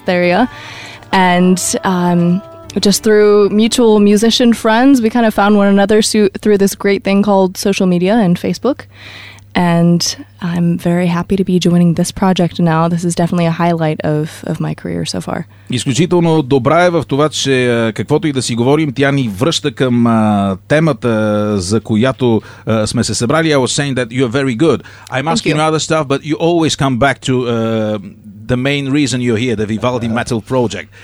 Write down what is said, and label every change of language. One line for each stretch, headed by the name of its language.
English: Theria, and just through mutual musician friends, we kind of found one another through this great thing called social media and Facebook, and I'm very happy to be joining this project now. This is definitely a highlight of my career so far.
Bulgarian: Изключително добра е в това, че каквото и да си говорим, тя ни връща към темата, за която сме се събрали.
English: I was saying that you're very good. I'm asking you other stuff, but you always come back to the main reason you're here, the Vivaldi Metal Project.